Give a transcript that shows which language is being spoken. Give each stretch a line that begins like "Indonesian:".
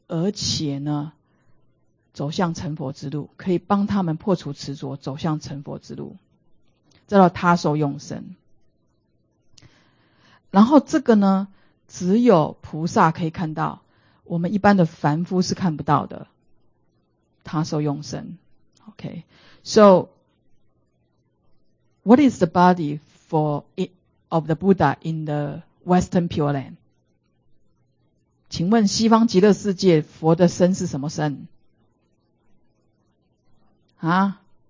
Chinese: 而且呢走向成佛之路，可以帮他们破除执着走向成佛之路，这叫他受用身。然后这个呢只有菩萨可以看到，我们一般的凡夫是看不到的他受用身。
English: OK, so what is the body of the Buddha in the Western Pure Land?
Chinese: 请问西方极乐世界佛的身是什么身啊？